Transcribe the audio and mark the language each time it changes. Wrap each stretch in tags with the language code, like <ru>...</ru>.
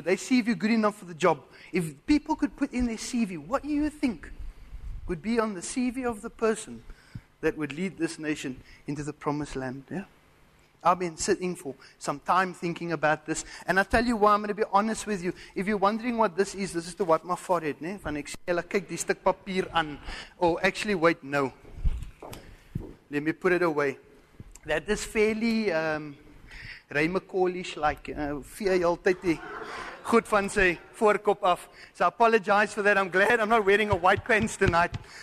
<en>They see if you're good enough for the job. If people could put in their CV, what do you think would be on the CV of the person that would lead this nation into the promised land? Yeah? I've been sitting for some time thinking about this. And I tell you why, I'm going to be honest with you. If you're wondering what this is to wipe my forehead.</en> <af>Nee? Van ek sê, ek kyk die stuk papier aan.</af> <en>Oh, actually, wait, no. Let me put it away. That is fairly Ray McCauley-ish, like,</en> <af>vir jy altyd die goed van sy voorkop af.</af> <en>So I apologize for that. I'm glad I'm not wearing a white pants tonight.</en>